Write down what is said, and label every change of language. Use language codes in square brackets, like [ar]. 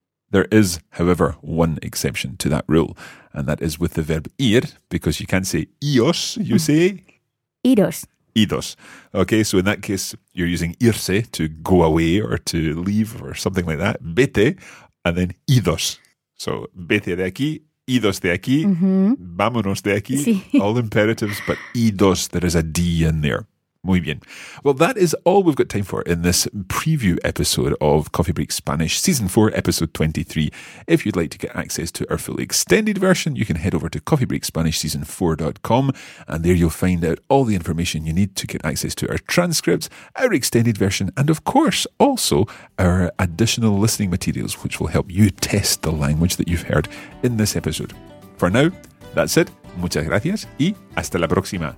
[en] There is, however, one exception to that rule, and that is with the verb ir, because you can't say ios, you say [es] iros. Idos. [en] Okay, so in that case, you're using irse to go away or to leave or something like that. Vete, and then idos. [es] So, vete de aquí, idos de aquí, mm-hmm. vámonos de aquí. Sí. [en] All imperatives, but idos, there is a D in there. [es] Muy bien. [en] Well, that is all we've got time for in this preview episode of Coffee Break Spanish, Season 4, Episode 23. If you'd like to get access to our fully extended version, you can head over to coffeebreakspanishseason4.com and there you'll find out all the information you need to get access to our transcripts, our extended version, and of course, also our additional listening materials, which will help you test the language that you've heard in this episode. For now, that's it. [es] Muchas gracias y hasta la próxima.